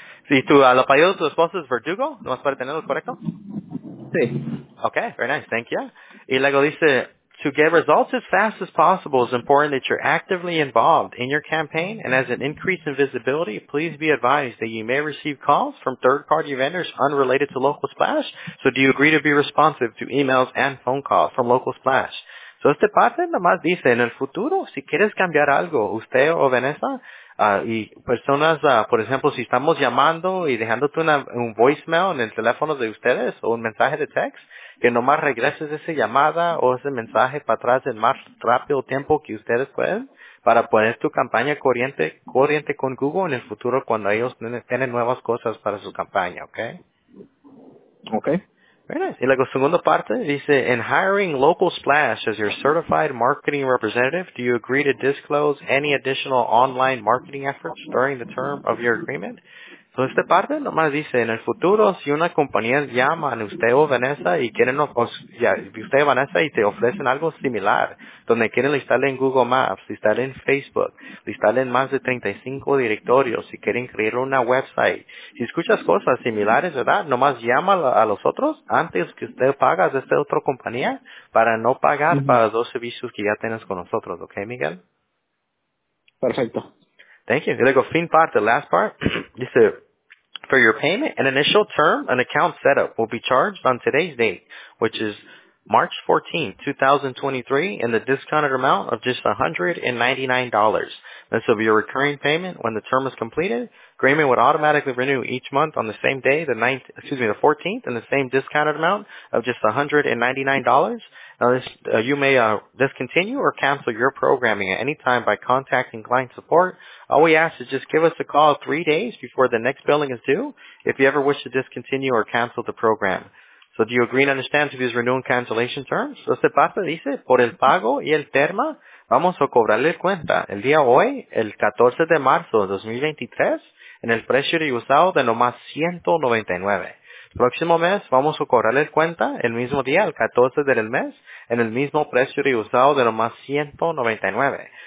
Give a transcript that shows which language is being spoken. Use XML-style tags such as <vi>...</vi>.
<es>¿Y tú, el apellido de tu esposa es Verdugo? ¿No más para tenerlo correcto? Sí.</es> <en>Okay, very nice. Thank you.</en> <es>Y luego dice,</es> <en>to get results as fast as possible, it's important that you're actively involved in your campaign. And as an increase in visibility, please be advised that you may receive calls from third-party vendors unrelated to Local Splash. So do you agree to be responsive to emails and phone calls from Local Splash?</en> <es>So este parte nomás dice, en el futuro, si quieres cambiar algo, usted o Vanessa, y personas, por ejemplo, si estamos llamando y dejándote un voicemail en el teléfono de ustedes o un mensaje de text, que nomás regreses esa llamada o ese mensaje para atrás en más rápido tiempo que ustedes pueden para poner tu campaña corriente con Google en el futuro cuando ellos tienen nuevas cosas para su campaña, ¿ok? Ok.</es> <en>Very nice.</en> <es>Y luego, segunda parte, dice,</es> <en>in hiring Local Splash as your certified marketing representative, do you agree to disclose any additional online marketing efforts during the term of your agreement?</en> <es>So, esta parte nomás dice, en el futuro, si una compañía llama a usted o Vanessa y quieren, usted o Vanessa y te ofrecen algo similar, donde quieren listarle en Google Maps, listarle en Facebook, listarle en más de 35 directorios, si quieren crear una website, si escuchas cosas similares, ¿verdad? Nomás llama a los otros antes que usted pague a esta otra compañía para no pagar para dos servicios que ya tienes con nosotros, ¿ok, Miguel? Perfecto.</es> <en>Thank you. Let's go. Fin part, the last part. Dice, for your payment, an initial term, an account setup will be charged on today's date, which is March 14, 2023, in the discounted amount of just $199. This will be a recurring payment when the term is completed. Agreement would automatically renew each month on the same day, the 14th, in the same discounted amount of just $199. Now, this, you may discontinue or cancel your programming at any time by contacting client support. All we ask is just give us a call 3 days before the next billing is due if you ever wish to discontinue or cancel the program. So do you agree and understand to these renew and cancellation terms?</en> <es>So, este parte dice, por el pago y el termo, vamos a cobrarle cuenta. El día hoy, el 14 de marzo de 2023, en el precio de usado de nomás $199. Próximo mes vamos a cobrarle cuenta el mismo día, el 14 del mes, en el mismo precio de usado de nomás $199.</es>